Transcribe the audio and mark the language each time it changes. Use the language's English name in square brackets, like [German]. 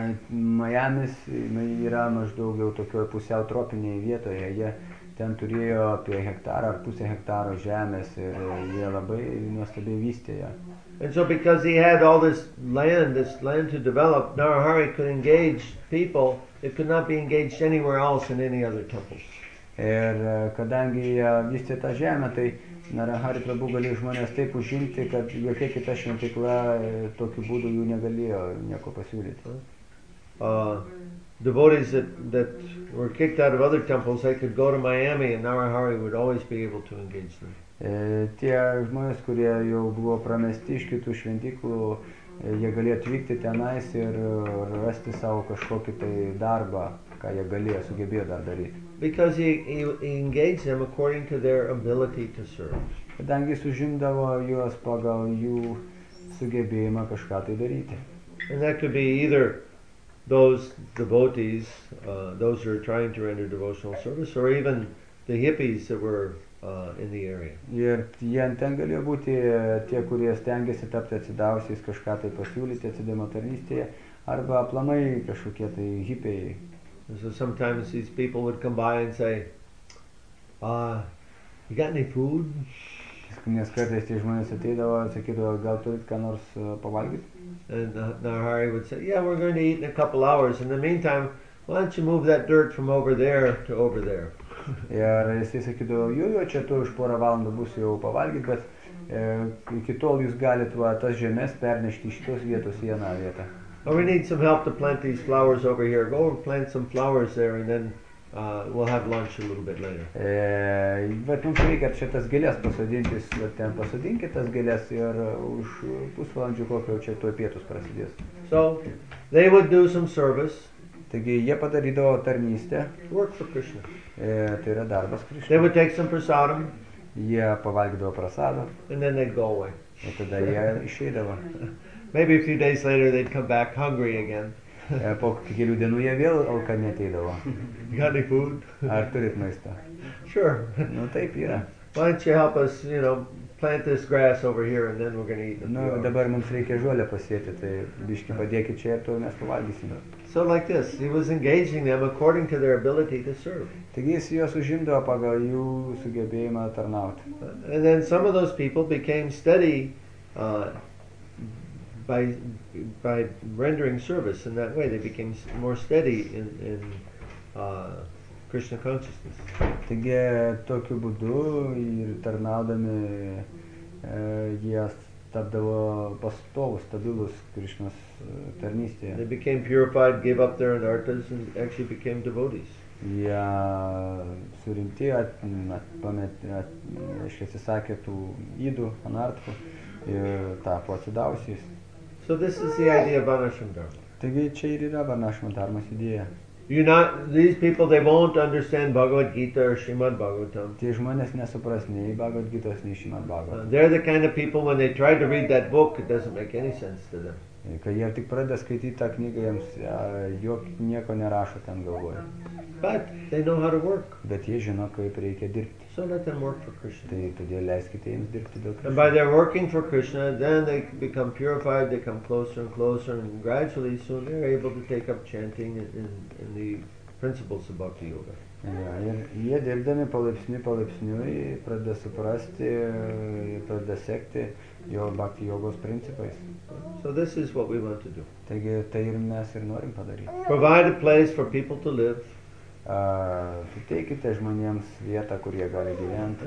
[Lithuanian] Miami's yra maždaug jau tokioje pusiau tropinėje vietoje. Jie ten turėjo apie hektarą ar pusę hektaro žemės ir jie labai nuostabiai vystėjo. [English] And so because he had all this land to develop, Narahari could engage people that could not be engaged anywhere else in any other temples. [Lithuanian] Ir kadangi jie vystė tą žemę, tai Narahari Prabhu galėjo žmonės taip užimti, kad jokia kita šventykla tokiu būdu jų negalėjo nieko pasiūlyti. [English] Devotees that were kicked out of other temples, they could go to Miami and Narahari would always be able to engage them. [Lithuanian] Tie žmonės, kurie jau buvo pramesti iš kitų šventyklų, jie galėjo atvykti tenais ir rasti savo kažkokį tai darbą, ką jie galėjo, sugebėjo dar daryti. [English] Because he engaged them according to their ability to serve. [Lithuanian] Kadangi jis užimdavo juos pagal jų sugebėjimą kažką tai daryti. [English] And that could be either those devotees, those who are trying to render devotional service, or even the hippies that were in the area. [Lithuanian] Ir jie ten galėjo būti tie, kurie stengiasi tapti atsidavusiais, kažką tai pasiūlyti atsidavimotarnystėje, arba aplamai kažkokie tai hippiai. [English] So sometimes these people would come by and say, you got any food? [Lithuanian] Nes kartais tie žmonės ateidavo, sakydavo, gal turit ką nors pavalgyti? [English] And Narahari would say, yeah, we're going to eat in a couple hours. In the meantime, why don't you move that dirt from over there to over there? [Lithuanian] Ir jis sakydavo, jo, čia tu už porą valandų bus jau pavalgyti, bet iki tol jūs galit va tas žemės pernešti iš šitos vietos į vieną vietą. [English] Oh, we need some help to plant these flowers over here. Go and plant some flowers there and then we'll have lunch a little bit later. [Lithuanian] Bet mums reikia šitas gėlės pasodinti, ten pasodinkit tas gėlės ir už pusvalandžių kokio čia tuoj pietus prasidės. [English] So, they would do some service. [Lithuanian] Taigi jie padarydavo tarnystę. [English] Work for Krishna. [Lithuanian] Tai yra darbas Krishna. [English] They would take some prasadam. [Lithuanian] Jie pavalgydavo prasadą. [English] And then they'd go away. [Lithuanian] Ir tada jie išeidavo. [English] Maybe a few days later they'd come back hungry again. [Lithuanian] Po kelių dienų jie vėl alkani ateidavo. [English] Got any food? [Lithuanian] Ar turit maistą? [English] Sure. [Lithuanian] Nu, taip yra. [English] Why don't you help us, you know, plant this grass over here and then we're going to eat. [Lithuanian] Nu, dabar mums reikia žolę pasėti, tai biški padėkit čia ir to mes pavalgysime. [English] So like this, he was engaging them according to their ability to serve. [Lithuanian] Taigi jis juos užimdavo pagal jų sugebėjimą tarnauti. [English] And then some of those people became steady by rendering service in that way, they became more steady in Krishna consciousness. [Lithuanian] Taigi tokiu būdu ir tarnaudami jie tapdavo pastovus, stabilus Krishnos tarnystėje. [English] They became purified, gave up their anartas and actually became devotees. [Lithuanian] Jie surimti, atsisakė tų įdų, anartų ir tapo atsidausiais. [English] So this is the idea of Varnashrama Dharma. [Lithuanian] Taigi čia ir yra Varnashrama Dharmas idėja. [English] You not these people they won't understand Bhagavad Gita or Srimad Bhagavatam. [Lithuanian] Tie žmonės nesupras nei Bhagavad Gitos, nei Srimad Bhagavatam. [English] They're the kind of people when they try to read that book it doesn't make any sense to them. [Lithuanian] Kai jie tik pradeda skaityti tą knygą, jiems nieko nerašo ten galvoje. [English] But they know how to work. [Lithuanian] Bet jie žino, kaip reikia dirbti. [English] So let them work for Krishna. [Lithuanian] Tai todėl leiskite jiems dirbti dėl Krishna. [English] And by their working for Krishna, then they become purified, they come closer and closer, and gradually soon they're able to take up chanting in the principles of Bhakti Yoga. [Lithuanian] Ja, ir jie dirbdami palaipsniui pradeda suprasti ir pradeda sekti jo Bhakti Yogos principais. [English] So this is what we want to do. [Lithuanian] Taigi tai ir mes ir norim padaryti. [English] Provide a place for people to live. [Lithuanian] Suteikite žmonėms vietą, kur jie gali gyventi.